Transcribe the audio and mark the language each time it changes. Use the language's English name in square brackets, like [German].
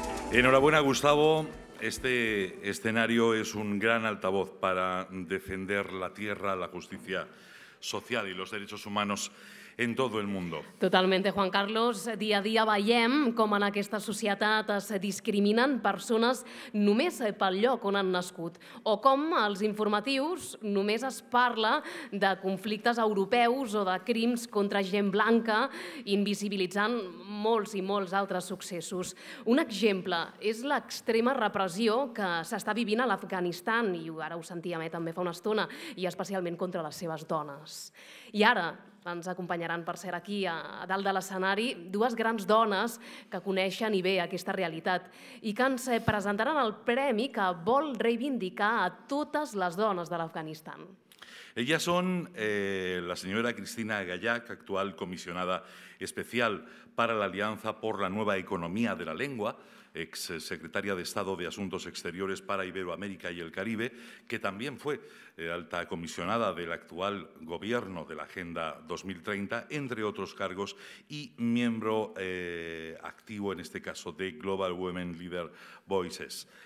[Spanish] Enhorabuena, Gustavo. Este escenario es un gran altavoz para defender la tierra, la justicia social y los derechos humanos en todo el mundo. Totalmente, Juan Carlos. [Catalan] Dia a dia veiem com en aquesta societat es discriminen persones només pel lloc on han nascut o com als informatius només es parla de conflictes europeus o de crims contra gent blanca, invisibilitzant molts i molts altres successos. Un exemple és l'extrema repressió que s'està vivint a l'Afganistan, i ara ho sentíem també fa una estona, i especialment contra les seves dones. I ara ens acompanyaran, per ser aquí, a dalt de l'escenari, dues grans dones que coneixen i bé aquesta realitat i que ens presentaran el premi que vol reivindicar a totes les dones de l'Afganistan. Elles són la senyora Cristina Gallac, actual comissionada especial per a l'Aliança per la Nova Economia de la Llengua, [Spanish] exsecretaria de Estado de Asuntos Exteriores para Iberoamérica y el Caribe, que también fue alta comisionada del actual gobierno de la Agenda 2030, entre otros cargos, y miembro activo, en este caso, de Global Women Leader Voices.